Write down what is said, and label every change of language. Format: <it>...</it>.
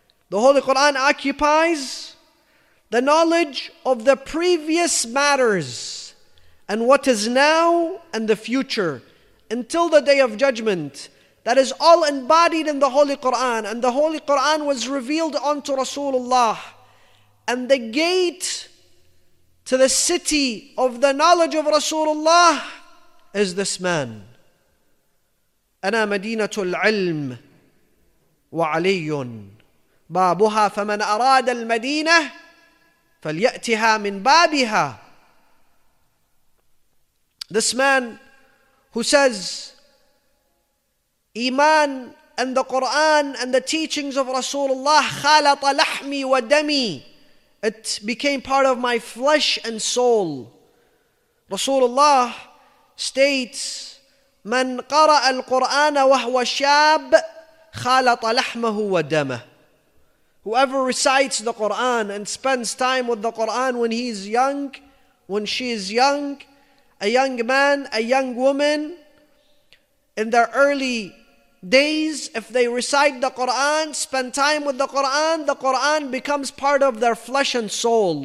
<en>The Holy Quran occupies the knowledge of the previous matters and what is now and the future until the day of judgment. That is all embodied in the Holy Quran. And the Holy Quran was revealed unto Rasulullah. And the gate to the city of the knowledge of Rasulullah is this man.</en> <ar>أنا مدينة العلم وعلي بابها فمن أراد المدينة فليأتها من بابها.</ar> <en>This man who says, Iman and the Quran and the teachings of Rasulullah</en> <ar>خالط لحمي ودمي.</ar> <en>It became part of my flesh and soul. Rasulullah states,</en> <ar>من قرأ القرآن وهو شاب خالط لحمه ودمه.</ar> <en>Whoever recites the Quran and spends time with the Quran when he is young, when she is young, a young man, a young woman, in their early days, if they recite the Quran, spend time with the Quran becomes part of their flesh and soul.</en>